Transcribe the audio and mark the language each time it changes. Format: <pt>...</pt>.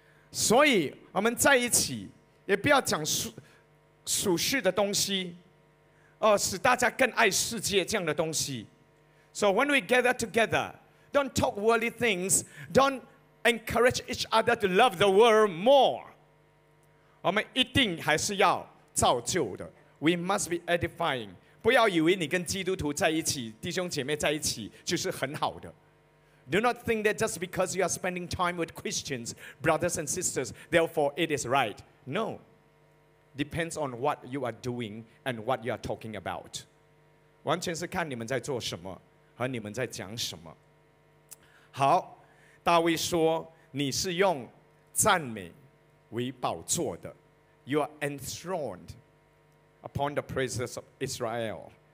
<zh>所以我们在一起也不要讲属世的东西、使大家更爱世界这样的东西。</zh> <en>So when we gather together,Don't talk worldly things. Don't encourage each other to love the world more.</en> <zh>我们一定还是要造就的。</zh> <en>We must be edifying.</en> <zh>不要以为你跟基督徒在一起，弟兄姐妹在一起就是很好的。</zh> <en>Do not think that just because you are spending time with Christians, brothers and sisters, therefore it is right. No. Depends on what you are doing and what you are talking about.</en> <zh>完全是看你们在做什么和你们在讲什么。好，大卫说：“你是用赞美为宝座的。”</zh> <en>You are enthroned upon the praises of Israel.</en>